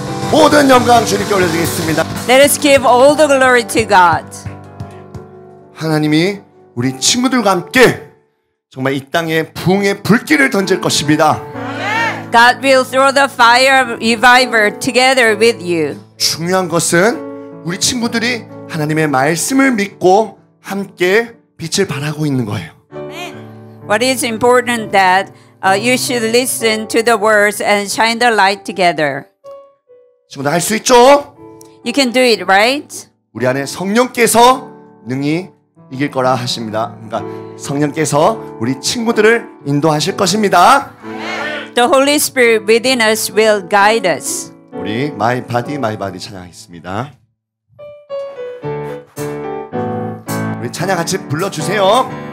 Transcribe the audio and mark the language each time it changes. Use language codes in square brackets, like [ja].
[ko] 모든 영광 주님께 올려드리겠습니다. [en] Let us give all the glory to God. [ko] 하나님이 우리 친구들과 함께 정말 이 땅에 부흥의 불길을 던질 것입니다. [en] God will throw the fire of revival together with you. [ko] 중요한 것은 우리 친구들이 하나님의 말씀을 믿고 함께 빛을 발하고 있는 거예요. [en] What is important that you should listen to the words and shine the light together. [ko] 친구들 할 수 있죠? [en] You can do it, right? [ko] 우리 안에 성령께서 능히 이길 거라 하십니다. 그러니까 성령께서 우리 친구들을 인도하실 것입니다. [en] The Holy Spirit within us will guide us. [ko] 우리 My Body, My Body 찬양하겠습니다. 우리 찬양 같이 불러주세요.